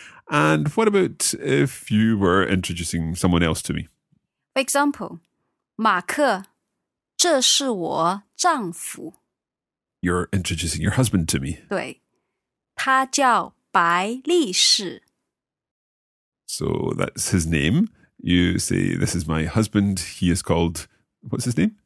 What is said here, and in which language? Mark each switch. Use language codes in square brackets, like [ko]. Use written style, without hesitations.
[en] And what about if you were introducing someone else to me? For example, [zh] 马克,这是我丈夫. [en] You're introducing your husband to me. [zh] 对,他叫白力士. [en] So that's his name. You say, this is my husband. He is called, what's his name?